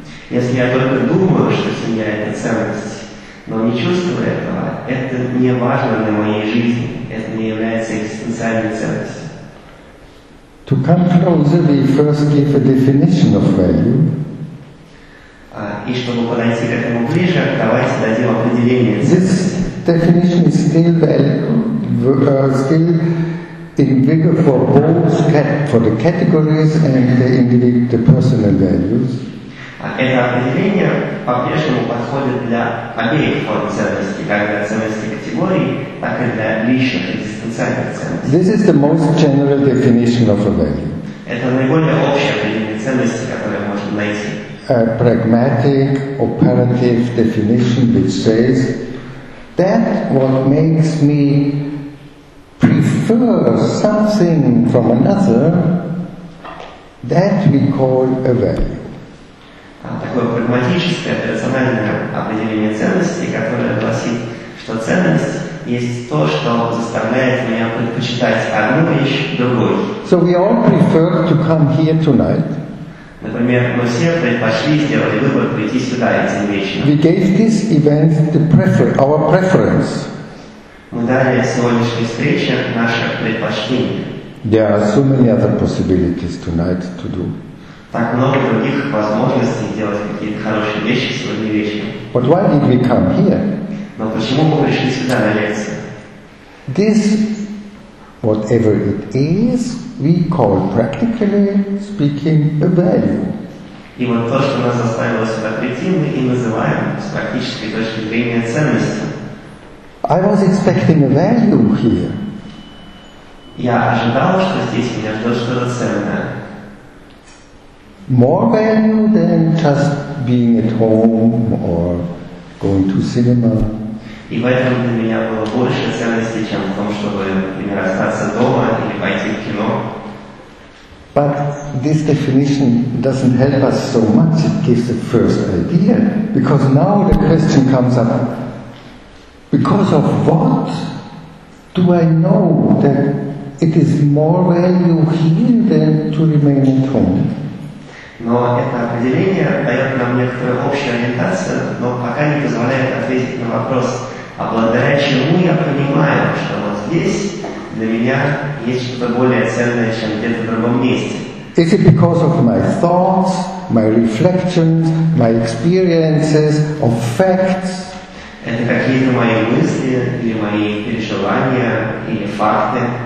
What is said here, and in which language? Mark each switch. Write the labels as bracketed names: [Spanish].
[Russian] Если я только думаю, что семья — это ценность, но не чувствую этого, это не важно для моей жизни, это не является экзистенциальной ценностью. [English] To come closer, we first give a definition of value. [Russian] И чтобы подойти к этому ближе, давайте дадим определение ценности. [English] This definition is still valid, still in vigor for both for the categories and the individual, the personal values. [Russian] Это определение по-прежнему подходит для обеих форм ценностей, как для ценностей категории, так и для личных экзистенциальных ценностей. [English] This is the most general definition of a value. [Russian] Это наиболее общее определение ценности, которое можно [English] lazy. A pragmatic, operative definition which says that what makes me prefer something from another, that we call a value. [Russian] Такое прагматическое, рациональное определение ценности, которое гласит, что ценность есть то, что заставляет меня предпочитать одну вещь другой. [English] So we all prefer to come here tonight. [Russian] Например, мы все предпочли сделать выбор прийти сюда этим вечером. [English] We gave this event the our preference. [Russian] Мы дали сегодняшней встрече наше предпочтение. [English] There are so many other possibilities tonight to do. [Russian] Так много других возможностей делать какие-то хорошие вещи сегодня вечером. [English] But why did we come here? [Russian] Но почему мы пришли сюда на лекцию? [English] This, whatever it is, we call practically speaking a value. [Russian] И вот то, что нас заставило сюда прийти, мы и называем с практической точки зрения ценностью. [English] I was expecting a value here. [Russian] Я ожидал, что здесь меня ждет что-то ценное. [English] More value than just being at home or going to cinema. [Russian] И в этом для меня было больше ценности, чем в том, чтобы, например, остаться дома или пойти в кино. [English] But this definition doesn't help us so much. It gives the first idea, because now the question comes up: because of what do I know that it is more value here than to remain at home? [Russian] Но это определение дает нам некоторую общую ориентацию, но пока не позволяет ответить на вопрос, а благодаря чему я понимаю, что вот здесь для меня есть что-то более ценное, чем где-то в другом месте. [English] Is it because of my thoughts, my reflections, my experiences, of facts? [Russian] Это какие-то мои мысли или мои переживания или факты?